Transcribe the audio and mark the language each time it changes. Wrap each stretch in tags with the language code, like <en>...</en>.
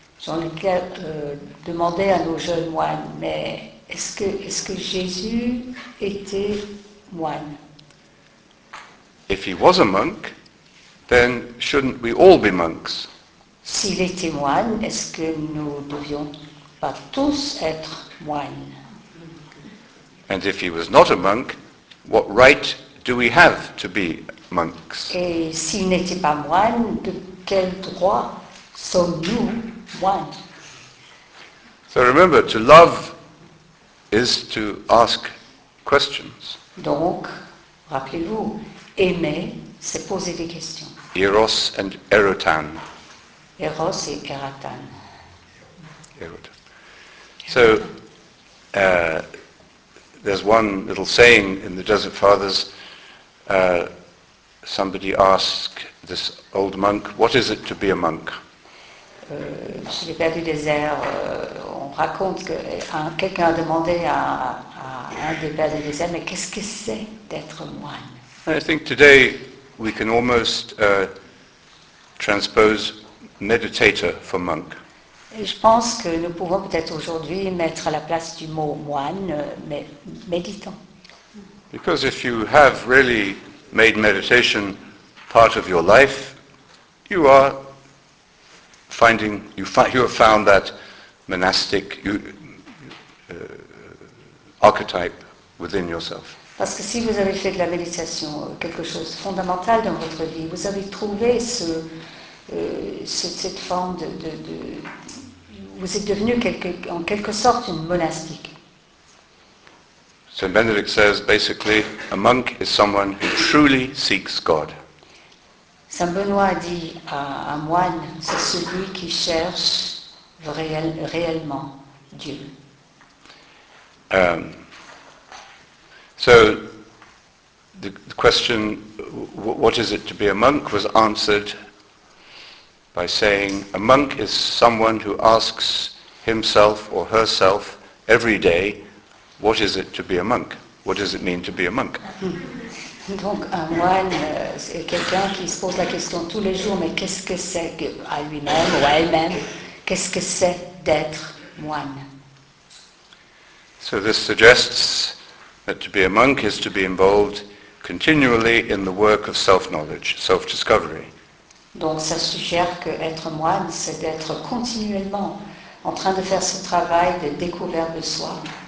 <fr>Jean Leclerc demandait à nos jeunes moines, mais est-ce que Jésus était moine?</fr> <en>If he was a monk, then shouldn't we all be monks?</en> <fr>S'il était moine, est-ce que nous ne devions pas tous être moines?</fr> <en>And if he was not a monk, what right do we have to be monks?</en> <fr>Et s'il n'était pas moine, de quel droit sommes-nous moines?</fr> <en>So remember, to love is to ask questions.</en> <fr>Donc, rappelez-vous, aimer, c'est poser des questions.</fr> <en>Eros and erotan.</en> <fr>Eros et erotan.</fr> <en>Erotan. So, There's one little saying in the Desert Fathers. Somebody asked this old monk, "What is it to be a monk?"</en> <fr>Chez les Pères du Désert, on raconte que quelqu'un a demandé à un des Pères du Désert, mais qu'est-ce que c'est d'être moine?</fr> <en>I think today we can almost transpose meditator for monk.</en> <fr>Et je pense que nous pouvons peut-être aujourd'hui mettre à la place du mot moine, mais méditant.</fr> <en>Because if you have really made meditation part of your life, you are finding, you have found that monastic archetype within yourself.</en> <fr>Parce que si vous avez fait de la méditation quelque chose de fondamental dans votre vie, vous avez trouvé cette forme de vous êtes devenu en quelque sorte une monastique.</fr> <en>Saint Benedict says basically, a monk is someone who truly seeks God.</en> <fr>Saint Benoît dit à un moine, c'est celui qui cherche réellement Dieu.</fr> <en>So the question, what is it to be a monk, was answered by saying, a monk is someone who asks himself or herself every day, what is it to be a monk? What does it mean to be a monk?</en> <fr>Donc un moine, c'est quelqu'un qui se pose la question tous les jours, mais qu'est-ce que c'est que, à lui-même ou à elle-même, qu'est-ce que c'est d'être moine?</fr> <en>So this suggests that to be a monk is to be involved continually in the work of self-knowledge, self-discovery.</en> <fr>Donc ça suggère qu'être moine, c'est d'être continuellement en train de faire ce travail de découverte de soi.</fr>